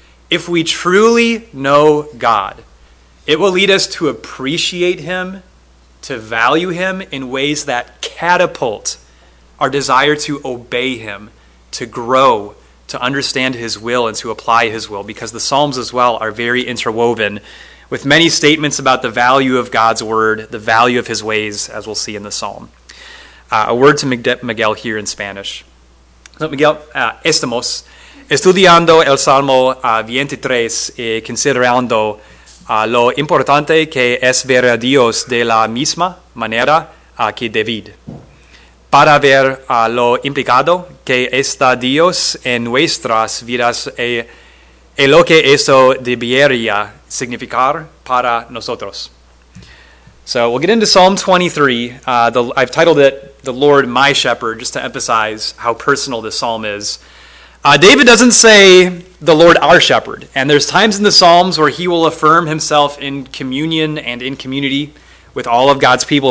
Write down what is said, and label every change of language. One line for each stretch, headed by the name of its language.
English: If we truly know God, it will lead us to appreciate him, to value him in ways that catapult our desire to obey him, to grow, to understand his will, and to apply his will, because the Psalms as well are very interwoven with many statements about the value of God's word, the value of his ways, as we'll see in the Psalm. A word to Miguel here in Spanish.
Spanish: So Miguel, estamos estudiando el Salmo 23 y considerando lo importante que es ver a Dios de la misma manera que David. Para ver lo implicado que está Dios en nuestras vidas y lo que eso debería significar para nosotros.
English: So we'll get into Psalm 23. I've titled it, The Lord My Shepherd, just to emphasize how personal this psalm is. David doesn't say, the Lord our shepherd. And there's times in the Psalms where he will affirm himself in communion and in community with all of God's people.